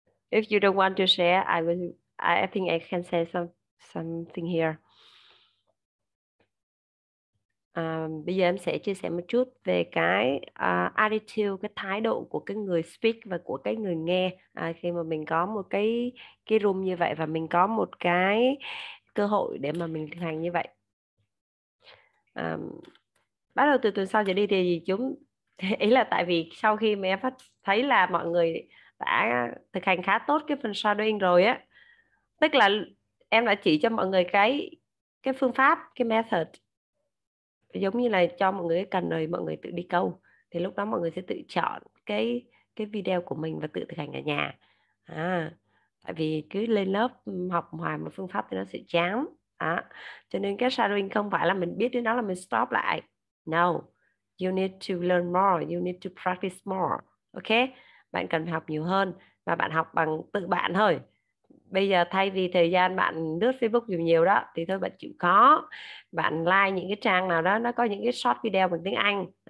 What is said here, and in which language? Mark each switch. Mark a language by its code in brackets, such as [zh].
[en] If you don't want to share, I think I can say something here. [vi] Bây giờ em sẽ chia sẻ một chút về cái attitude, cái thái độ của cái người speak và của cái người nghe khi mà mình có một cái room như vậy và mình có một cái cơ hội để mà mình thực hành như vậy. Bắt đầu từ tuần sau trở đi thì chúng ý là tại vì sau khi mà em thấy là mọi người đã thực hành khá tốt cái phần shadowing rồi á, tức là em đã chỉ cho mọi người cái phương pháp, cái method, giống như là cho mọi người cần rồi mọi người tự đi câu, thì lúc đó mọi người sẽ tự chọn cái video của mình và tự thực hành ở nhà. Tại vì cứ lên lớp học hoài một phương pháp thì nó sẽ chán. Cho nên cái shadowing không phải là mình biết đến đó là mình stop lại. [en] No, you need to learn more, you need to practice more. [vi] Ok, bạn cần phải học nhiều hơn và bạn học bằng tự bạn thôi. Bây giờ thay vì thời gian bạn lướt Facebook nhiều đó thì thôi bạn chịu khó, bạn like những cái trang nào đó nó có những cái short video bằng tiếng Anh.